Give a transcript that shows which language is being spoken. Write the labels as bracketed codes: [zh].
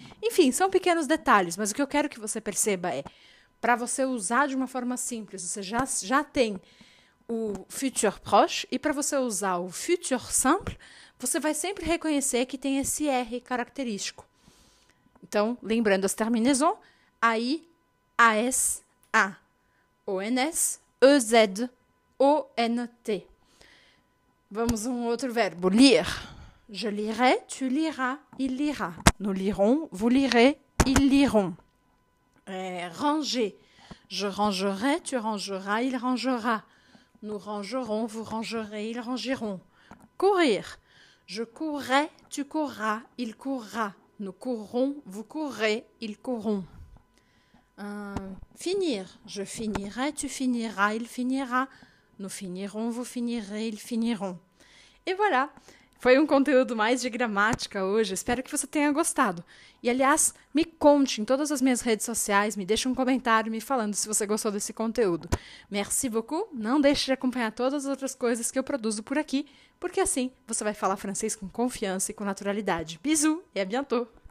[pt] Enfim, são pequenos detalhes, mas o que eu quero que você perceba é, para você usar de uma forma simples, você já tem o futur proche, e para você usar o futur simple, você vai sempre reconhecer que tem esse R característico. Então, lembrando as terminaisons, AI, AS, A, ONS, EZ, ONT. Vamos a um outro verbo, lire. [fr] Je lirai, tu liras, il lira. Nous lirons, vous lirez, ils liront. Ranger. Je rangerai, tu rangeras, il rangera. Nous rangerons, vous rangerez, ils rangeront. Courir. Je courrai, tu courras, il courra. Nous courrons, vous courrez, ils courront. Finir. Je finirai, tu finiras, il finira. Nous finirons, vous finirez, ils finiront. Et voilà. [pt] Foi um conteúdo mais de gramática hoje. Espero que você tenha gostado. E, aliás, me conte em todas as minhas redes sociais, me deixe um comentário me falando se você gostou desse conteúdo. [fr] Merci beaucoup. [pt] Não deixe de acompanhar todas as outras coisas que eu produzo por aqui, porque assim você vai falar francês com confiança e com naturalidade. Bisous e [fr] à bientôt!